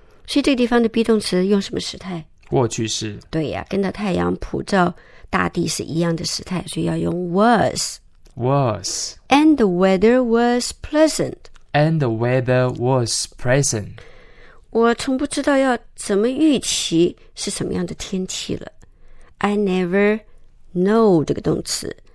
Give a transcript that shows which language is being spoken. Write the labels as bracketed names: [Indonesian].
[Chinese] 所以这个地方的 be 动词用什么时态？过去式。对呀、啊、跟着太阳普照大地是一样的时态，所以要用 was。 [English] was。 And the weather was pleasant. And the weather was pleasant. [Chinese] 我从不知道要怎么预期是什么样的天气了。 [English] I never know [Chinese] 这个动词。